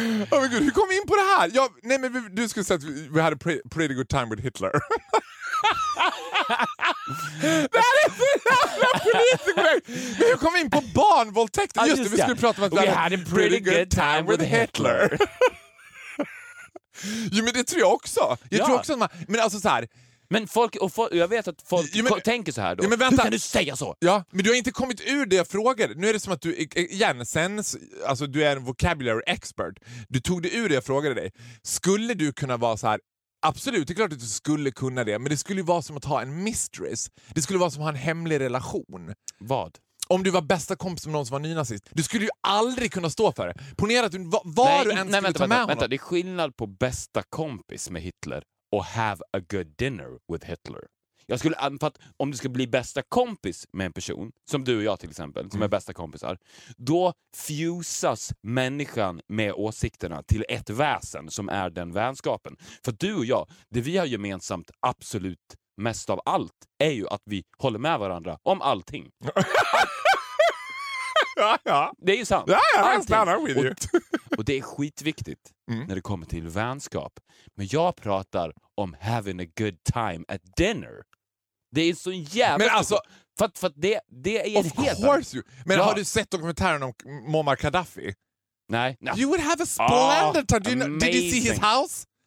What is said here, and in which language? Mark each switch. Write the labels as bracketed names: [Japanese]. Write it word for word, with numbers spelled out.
[English] Oh my God, [Swedish] hur kom vi in på det här? Jag, nej men vi, du skulle säga att vi, [English] we had a pre, pretty good time with Hitler. [Swedish] Det här är för politiskt. Men hur kom vi in på barnvåldtäkt? Just det, vi skulle prata om att [English] we had a pretty good time with Hitler. [Swedish] Jo men det tror jag också. Jag ja. tror också att man, men alltså så här. Men folk, och folk, jag vet att folk jo, men, ko- tänker så här då. Jo, men hur kan du säga så? Ja, men du har inte kommit ur det jag frågade. Nu är det som att du, igen, sen, alltså du är en vocabulary expert. Du tog det ur det jag frågade dig. Skulle du kunna vara så här, absolut, det är klart att du skulle kunna det. Men det skulle ju vara som att ha en mistress. Det skulle vara som att ha en hemlig relation. Vad? Om du var bästa kompis med någon som var nynazist. Du skulle ju aldrig kunna stå för det. Ponera att du, var, var du ens skulle nej, vänta, ta med vänta, honom. Vänta, det är skillnad på bästa kompis med Hitler. Och [English] have a good dinner with Hitler. [Swedish] Jag skulle anfatta, om du ska bli bästa kompis med en person, som du och jag till exempel, som mm. är bästa kompisar, då fusas människan med åsikterna till ett väsen som är den vänskapen. För du och jag, det vi har gemensamt absolut mest av allt är ju att vi håller med varandra om allting. Ja, ja. Det är ju sant. Ja, ja, och, och det är skitviktigt mm. när det kommer till vänskap. Men jag pratar om [English] having a good time at dinner. [Swedish] Det är så jävla... Men alltså... För att, för att det, det är [English] of course you. [Swedish] Men ja. Har du sett dokumentären om Muammar Gaddafi? Nej. [English] No. You would have a splendid oh, time. Did, did you see his house?